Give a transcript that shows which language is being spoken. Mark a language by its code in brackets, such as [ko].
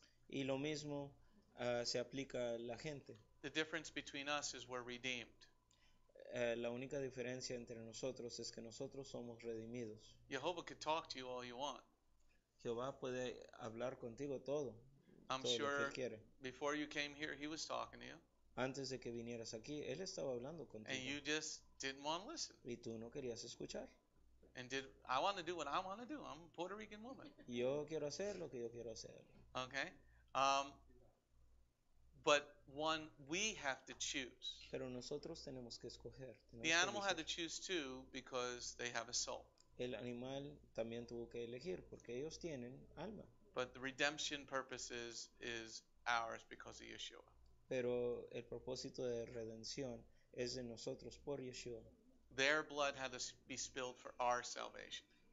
[es] Y lo mismo se aplica a la gente. [en] The difference between us is we're redeemed. [es] La única diferencia entre nosotros es que nosotros somos redimidos. [en] Jehovah could talk to you all you want. [es] Jehová puede hablar contigo todo. [en] I'm sure before you came here, he was talking to you. [es] Antes de que vinieras aquí, él estaba hablando contigo. [en] And you just didn't want to listen. [es] Y tú no querías escuchar. [en] And did I want to do what I want to do? I'm a Puerto Rican woman. [es] Yo quiero hacer lo que yo quiero hacer. [en] Okay. But one, we have to choose. [es] Pero nosotros tenemos que escoger. Tenemos [en] the animal had to choose too because they have a soul. [es] El animal también tuvo que elegir porque ellos tienen alma. [en] But the redemption purpose is ours because of Yeshua. [es] Pero el propósito de redención es de nosotros por Yeshua. [en] Their blood had to be spilled for our salvation.